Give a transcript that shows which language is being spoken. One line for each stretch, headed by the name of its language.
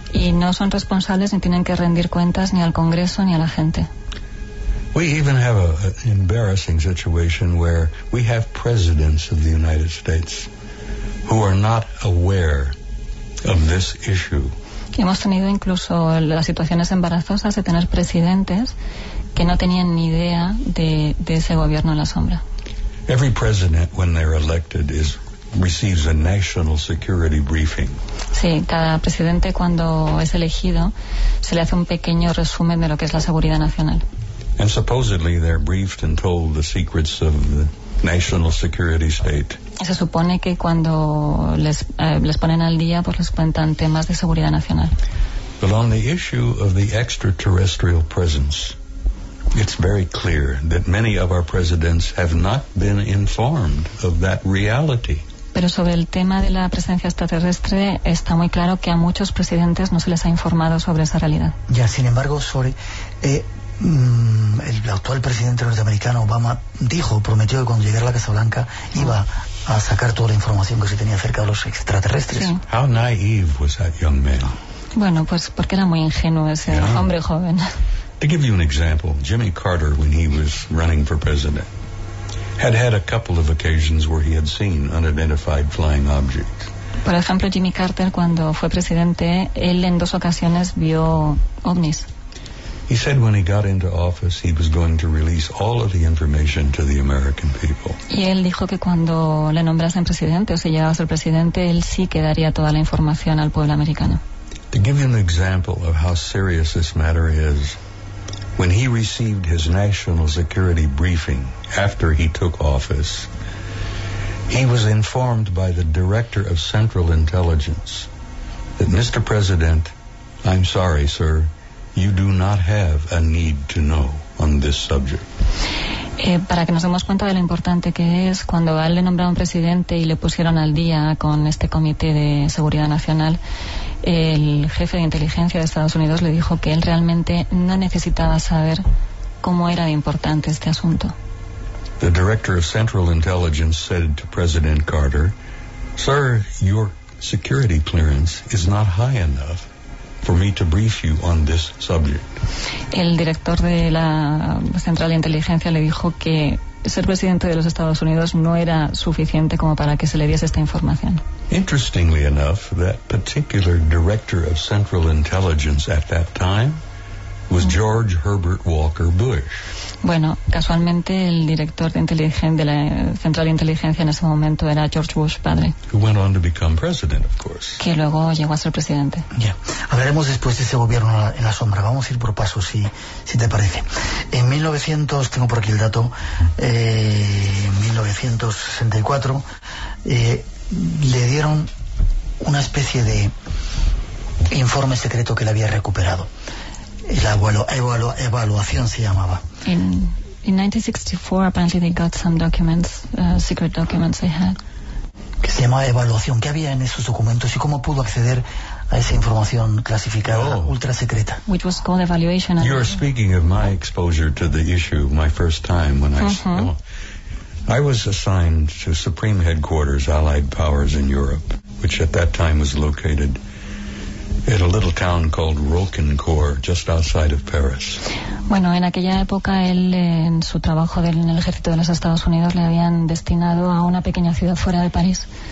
Spanish: Y no son responsables ni tienen que rendir cuentas ni al Congreso ni a la gente.
English: We even have an embarrassing situation where we have presidents of the United States who are not aware of this issue.
Spanish: Y hemos tenido incluso las situaciones embarazosas de tener presidentes que no tenían ni idea de ese gobierno en la sombra.
English: Every president, when they're elected, receives a national security briefing.
Spanish: Sí, cada presidente cuando es elegido se le hace un pequeño resumen de lo que es la seguridad nacional.
English: And supposedly they're briefed and told the secrets of the national security state.
Spanish: Se supone que cuando les ponen al día, pues les cuentan temas de seguridad nacional.
English: But on the issue of the extraterrestrial presence, it's very clear that many of our presidents have not been informed of that reality.
Spanish: Pero sobre el tema de la presencia extraterrestre está muy claro que a muchos presidentes no se les ha informado sobre esa realidad. Ya, sin embargo, el actual presidente norteamericano Obama dijo, prometió que cuando llegara a la Casa Blanca iba a sacar toda la información que se tenía acerca de los extraterrestres. Sí.
English: How naive was that young man?
Spanish: Bueno, pues porque era muy ingenuo ese hombre joven.
English: To give you an example, Jimmy Carter, when he was running for president, had had a couple of occasions where he had seen unidentified flying objects.
Spanish: Por ejemplo, Jimmy Carter, cuando fue presidente, él en dos ocasiones vio ovnis.
English: He said when he got into office, he was going to release all of the information to the American people.
Spanish: Y él dijo que cuando le nombrasen presidente, o si llegaba a ser presidente, él sí que daría toda la información al pueblo americano.
English: To give you an example of how serious this matter is, when he received his national security briefing after he took office, he was informed by the director of Central Intelligence that, Mr. President, I'm sorry, sir, you do not have a need to know on this subject.
Spanish: Para que nos demos cuenta de lo importante que es, cuando a él le nombraron presidente y le pusieron al día con este Comité de Seguridad Nacional, el jefe de inteligencia de Estados Unidos le dijo que él realmente no necesitaba saber cómo era de importante este asunto.
English: The director of Central Intelligence said to President Carter, "Sir, your security clearance is not high enough for me to brief you on this subject."
Spanish: El director de la Central de Inteligencia le dijo que ser presidente de los Estados Unidos no era suficiente como para que se le diese esta información.
English: Interestingly enough, that particular director of Central Intelligence at that time was George Herbert Walker Bush.
Spanish: Bueno, casualmente el director de la Central de Inteligencia en ese momento era George Bush padre.
English: Who went on to become president, of course.
Spanish: Que luego llegó a ser presidente. Ya. Yeah. Hablaremos después de ese gobierno en la sombra. Vamos a ir por pasos, si te parece. En 1900, tengo por aquí el dato, 1964, le dieron una especie de informe secreto que le había recuperado. Evaluación se llamaba.
English: In 1964, apparently they got some documents, secret documents they had.
Spanish: ¿Qué se llamaba evaluación? ¿Qué había en esos documentos y cómo pudo acceder a esa información clasificada ultra secreta?
English: Which was called evaluation. You are speaking of my exposure to the issue, my first time when I was assigned to Supreme Headquarters, Allied Powers in Europe, which at that time was located in a little town called Roquencourt, just outside of Paris.
Spanish: Bueno, en aquella época, él, en su trabajo en el ejército de los Estados Unidos, le habían destinado a una pequeña ciudad fuera de París.